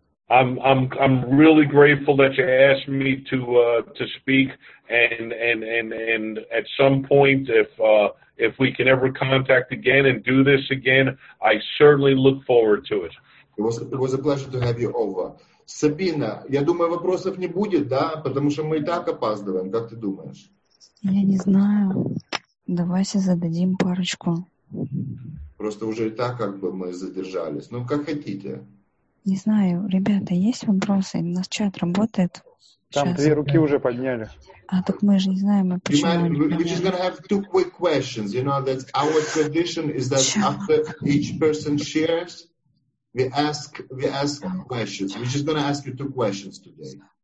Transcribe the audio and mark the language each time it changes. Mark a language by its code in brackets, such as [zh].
[en] I'm really grateful that you asked me to speak, and at some point, if we can ever contact again and do this again, I certainly look forward to it. It was a pleasure to have you over. [ru] Sabina, я думаю, вопросов не будет, да? Потому что мы и так опаздываем. Как ты думаешь? Я не знаю. Давайте зададим парочку. Просто уже и так как бы мы задержались. Ну, как хотите. Не знаю. Ребята, есть вопросы? У нас чат работает. Там сейчас. Две руки уже подняли. А так мы же не знаем, почему. [en] We're just going to have two quick questions. You know, that our tradition is that after each person shares, we ask questions. We're just going to ask you two questions today.